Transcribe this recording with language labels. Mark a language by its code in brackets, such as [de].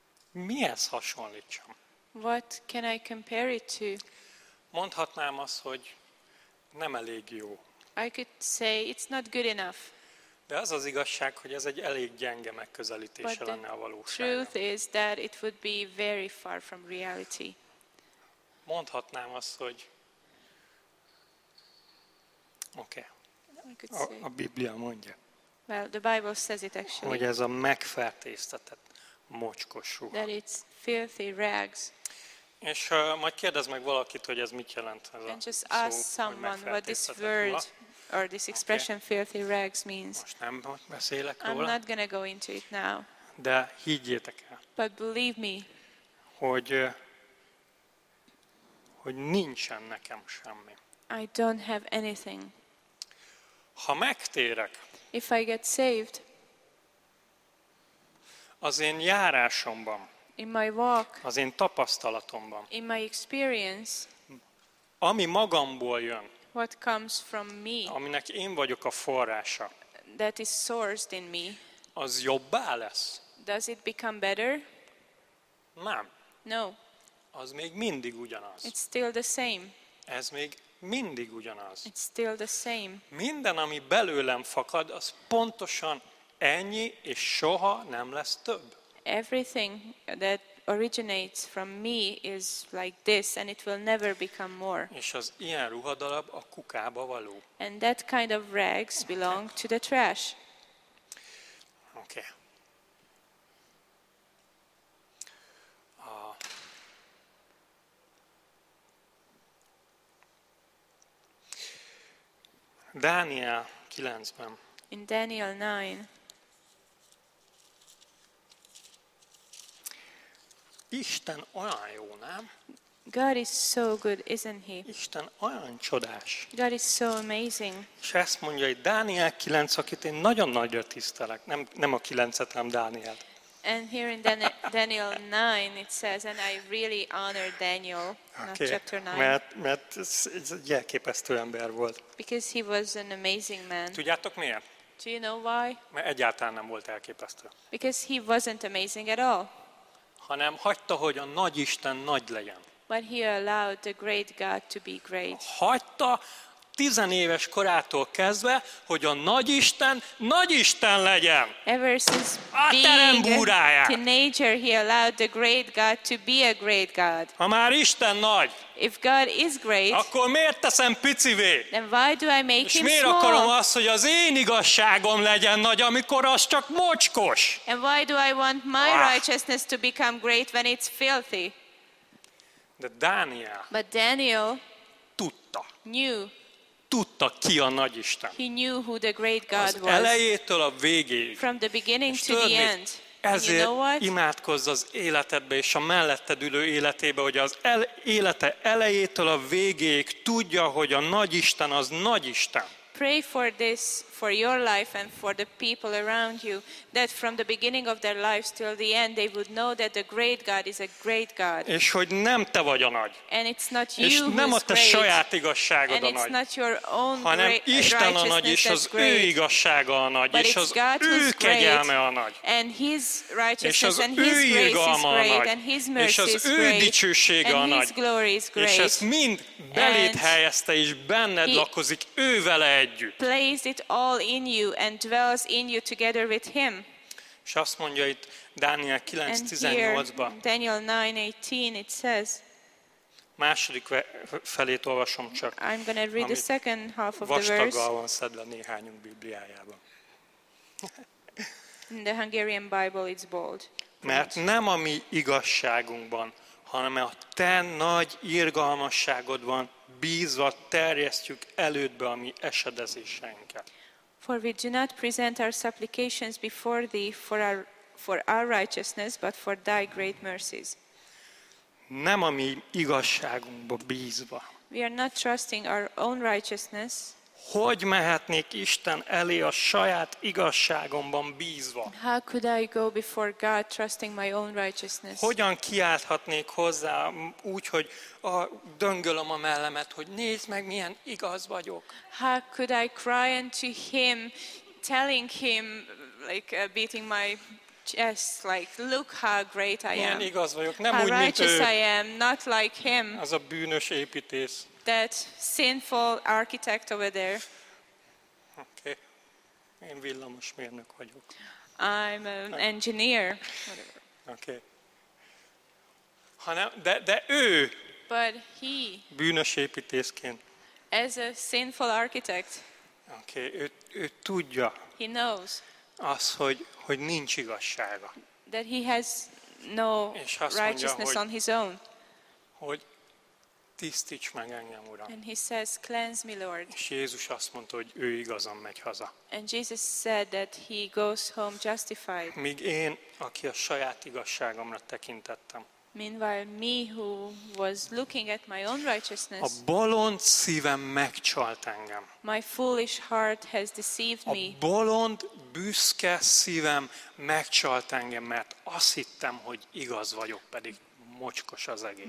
[hu] Mihez hasonlítsam? [en] What can I compare it to? [hu] Mondhatnám azt, hogy nem elég jó. [en] I could say it's not good enough. [hu] De az az igazság, hogy ez egy elég gyenge megközelítése [en] But [hu] lenne a valóságnak. [en] Truth is that it would be very far from reality. [hu] Mondhatnám azt, hogy okay. A Biblia mondja. [en] Well, the Bible says it actually. [hu] Hogy ez a megfertőztetett mocskos ruha. [en] That it's filthy rags. [hu] És majd kérdezz meg valakit, hogy ez mit jelent ez [en] And a just [hu] szó, [en] ask someone what this word or this expression okay. filthy rags means. [hu] Most nem beszélek [en] I'm [hu] róla. [en] I'm not gonna go into it now. [hu] De higgyétek el. [en] But believe me. [hu] Hogy nincsen nekem semmi. [en] I don't have anything. [hu] Ha megtérek, [en] If I get saved, [hu] az én járásomban, [en] in my walk, [hu] az én tapasztalatomban, [en] in my experience, [hu] ami magamból jön, [en] what comes from me, [hu] aminek én vagyok a forrása, [en] that is sourced in me, [hu] az jobbá lesz? [en] Does it become better? [hu] Nem. [en] No. [hu] Az még mindig ugyanaz. [en] It's still the same. [hu] Ez még mindig ugyanaz. [en] It's still the same. [hu] Minden, ami belőlem fakad, az pontosan ennyi, és soha nem lesz több. [en] Everything that originates from me is like this, and it will never become more. [hu] És az ilyen ruhadarab a kukába való. [en] And that kind of rags belong to the trash. Okay. [hu] Dániel 9-ben. [en] In Daniel 9. [hu] Isten olyan jó, nem? [en] God is so good, isn't he? [hu] Isten olyan csodás. [en] God is so amazing. [hu] És ezt mondja, hogy Dániel 9, akit én nagyon nagyra tisztelek. Nem a 9-et, hanem Dániel. [en] And here in Daniel 9 it says, and I really honor Daniel, okay. not chapter 9. [hu] Mert ez egy elképesztő ember volt. [en] Because he was an amazing man. [hu] Tudjátok miért? [en] Do you know why? [hu] Mert egyáltalán nem volt elképesztő. [en] Because he wasn't amazing at all. [hu] Hanem hagyta, hogy a nagy Isten nagy legyen. [en] But he allowed the great God to be great. [hu] Hagyta 10 éves korától kezdve, hogy a nagy Isten legyen. [en] Ever since being a teenager, he allowed the great God to be a great God. [hu] Ha már Isten nagy, [en] If God is great, [hu] akkor miért teszem picivé? [en] Then why do I make [hu] És [en] him [hu] miért [en] small? [hu] Akarom azt, hogy az én igazságom legyen nagy, amikor az csak mocskos? [en] And why do I want my righteousness to become great when it's filthy? [hu] De Daniel, [en] But Daniel [hu] tudta. [en] Knew. [hu] Tudta, ki a nagy Isten. [en] He knew who the great God was. [hu] Az elejétől a végéig. [en] From the beginning to the end. [hu] Ezért imádkozz az életedbe és a melletted ülő életébe, hogy az élete elejétől a végéig tudja, hogy a nagy Isten az nagy Isten. [en] Pray for this for your life and for the people around you that from the beginning of their lives till the end they would know that the great God is a great God. [hu] És hogy nem te vagy a nagy. [en] And it's not you [hu] És nem a te saját igazságod a nagy. [en] And it's not your own [hu] hanem Isten a nagy és az ő igazsága a nagy és az ő kegyelme a nagy. [en] And his righteousness and his grace is great and his mercy [hu] és az ő dicsősége a nagy. [en] His glory is great. [hu] És ezt mind beléd helyezte és benned lakozik ő vele együtt. [en] Placed it all in you and dwells in you together with him. [hu] És azt mondja itt Dániel 9:18-ba. [en] Daniel 9:18 it says. [hu] Második felét olvasom csak. [en] I'm going to read the second half of the verse. [hu] Vastaggal van szedve néhányunk Bibliájában. [en] In the Hungarian Bible it's bold. [hu] Mert nem a mi igazságunkban, hanem a te nagy irgalmasságodban bízva terjesztjük elődbe a mi esedezéseinket. [en] For we do not present our supplications before thee for our righteousness, but for thy great mercies. [hu] Nem a mi igazságunkba bízva. [en] We are not trusting our own righteousness. [hu] Hogy mehetnék Isten elé a saját igazságomban bízva? [en] How could I go before God trusting my own righteousness? [hu] Hogyan kiálthatnék hozzá úgy, hogy a döngölöm a mellemet, hogy nézd meg, milyen igaz vagyok? [en] How could I cry unto him, telling him, like beating my chest, like look how great I am. [hu] Milyen igaz vagyok, nem [en] how [hu] úgy, [en] righteous [hu] mint ő. [en] I am, not like him. [hu] Az a bűnös építész. [en] That sinful architect over there. Okay. [hu] Én villamos mérnök vagyok. [en] I'm an engineer. [hu] Okay. Hanem, de ő. [en] But he. [hu] Bűnös építészként. [en] As a sinful architect. [hu] Okay. Ő tudja. [en] He knows. [hu] Az, hogy nincs igazsága. [en] That he has no righteousness [hu] mondja, [en] on his own. [hu] Hogy tisztíts meg engem, Uram. [en] And he says, cleanse me, Lord. [hu] És Jézus azt mondta, hogy ő igazan megy haza. [en] And Jesus said that he goes home justified. [hu] Míg én, aki a saját igazságomra tekintettem. [en] Meanwhile, me who was looking at my own righteousness. [hu] A bolond szívem megcsalt engem. [en] My foolish heart has deceived me. [hu] A bolond, büszke szívem megcsalt engem, mert azt hittem, hogy igaz vagyok, pedig mocskos az egész.